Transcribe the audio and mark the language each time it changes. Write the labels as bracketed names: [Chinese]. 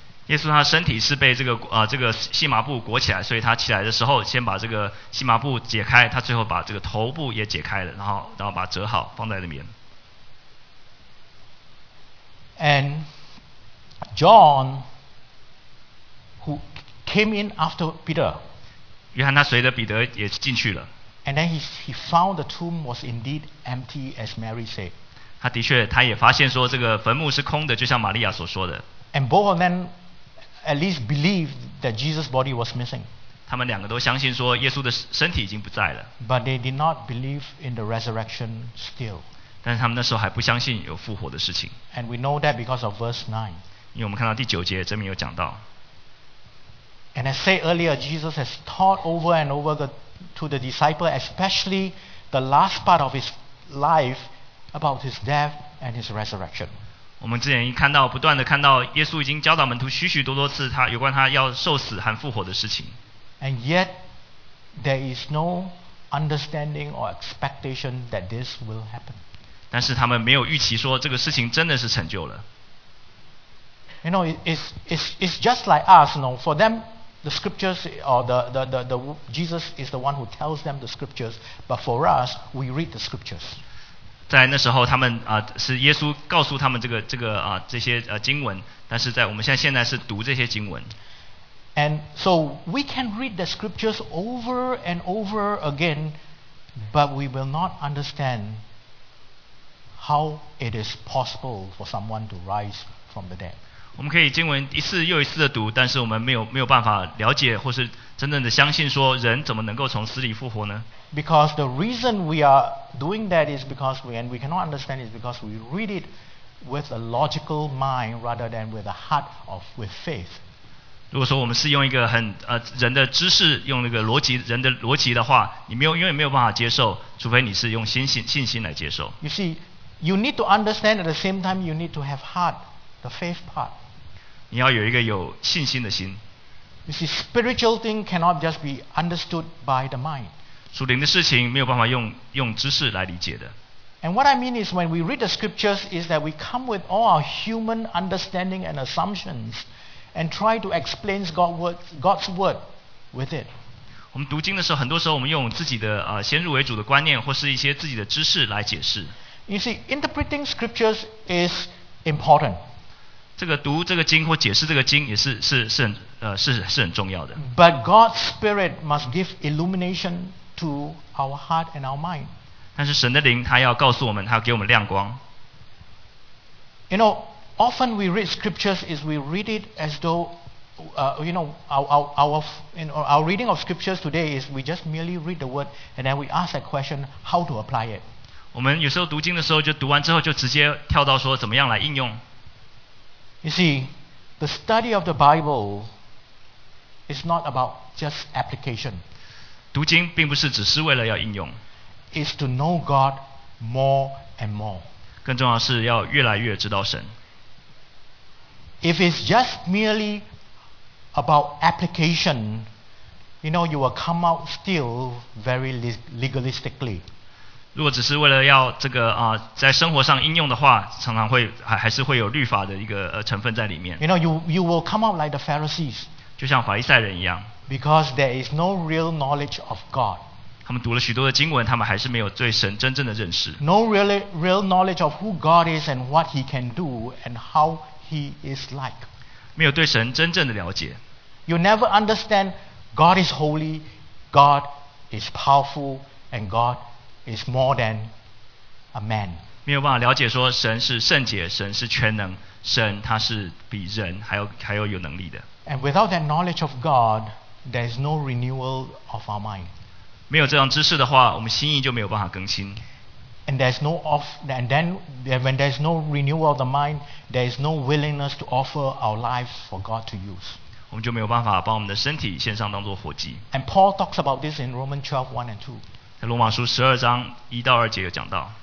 [Chinese] 耶稣他身体是被这个细麻布裹起来，所以他起来的时候先把这个细麻布解开，他最后把这个头部也解开了，然后把它折好放在里面。 [English] And John... Who came in after Peter? [Chinese] 约翰他随着彼得也进去了。 [English] And then he found the tomb was indeed empty as Mary said. [Chinese] 他的确，他也发现说这个坟墓是空的，就像玛利亚所说的。 [English] And both of them at least believed that Jesus' body was missing. [Chinese] 他们两个都相信说耶稣的身体已经不在了。 [English] But they did not believe in the resurrection still. [Chinese] 但是他们那时候还不相信有复活的事情。 [English] And we know that because of verse 9. [Chinese] 因为我们看到第九节这边有讲到。 [English] And I said earlier, Jesus has taught over and over to the disciples, especially the last part of his life, about his death and his resurrection. [Chinese] 我们之前看到不断的看到耶稣已经教导门徒许许多多次他有关他要受死和复活的事情。 [English] And yet, there is no understanding or expectation that this will happen. [Chinese] 但是他们没有预期说这个事情真的是成就了。 [English] You know, it's just like us, you know, for them. The scriptures, or the Jesus is the one who tells them the scriptures. But for us, we read the scriptures. [Chinese] 在那时候，他们是耶稣告诉他们这些经文。但是在我们现在是读这些经文。 [English] And so we can read the scriptures over and over again, but we will not understand how it is possible for someone to rise from the dead. [Chinese] 我们可以经文一次又一次的读，但是我们没有办法了解或是真正的相信说人怎么能够从死里复活呢？ [English] Because the reason we are doing that is because we cannot understand is because we read it with a logical mind rather than with a heart of with faith. [Chinese] 如果说我们是用一个很人的知识，用那个逻辑人的逻辑的话，你没有因为没有办法接受，除非你是用信心来接受。 [English] You see, you need to understand at the same time you need to have heart. The faith part. [Chinese] 你要有一个有信心的心。 [English] You see, spiritual thing cannot just be understood by the mind. [Chinese] 属灵的事情没有办法用知识来理解的。 [English] And what I mean is, when we read the scriptures, is that we come with all our human understanding and assumptions, and try to explain God's word with it. [Chinese] 我们读经的时候，很多时候我们用自己的先入为主的观念，或是一些自己的知识来解释。 [English] You see, interpreting scriptures is important. [Chinese] 这个读这个经或解释这个经也是很重要的。 [English] But God's Spirit must give illumination to our heart and our mind. [Chinese] 但是神的灵他要告诉我们，他要给我们亮光。 [English] You know, often we read scriptures is we read it as though, you know, our reading of scriptures today is we just merely read the word and then we ask that question how to apply it. [Chinese] 我们有时候读经的时候，就读完之后就直接跳到说怎么样来应用。 [English] You see, the study of the Bible is not about just application. [Chinese] 读经并不是只是为了要应用。 [English] It's to know God more and more. [Chinese] 更重要是要越来越知道神。 [English] If it's just merely about application, you know, you will come out still very legalistically. [Chinese] 如果只是为了要这个在生活上应用的话，常常会还是会有律法的一个成分在里面。 [English] You know, you will come out like the Pharisees. [Chinese] 就像法利赛人一样。 [English] Because there is no real knowledge of God. [Chinese] 他们读了许多的经文，他们还是没有对神真正的认识。 [English] No real knowledge of who God is and what He can do and how He is like. [Chinese] 没有对神真正的了解。 [English] You never understand God is holy, God is powerful, and God. Is more than a man. [Chinese] 没有办法了解说神是圣洁，神是全能，神他是比人还有能力的。 [English] And without that knowledge of God, there is no renewal of our mind. [Chinese] 没有这样知识的话，我们心意就没有办法更新。 [English] And there's no off, and then when there's no renewal of the mind, there is no willingness to offer our lives for God to use. [Chinese] 我们就没有办法把我们的身体献上当作活祭。 [English] And Paul talks about this in Romans 12:1-2. [Chinese] 在罗马书十二章一到二节有讲到。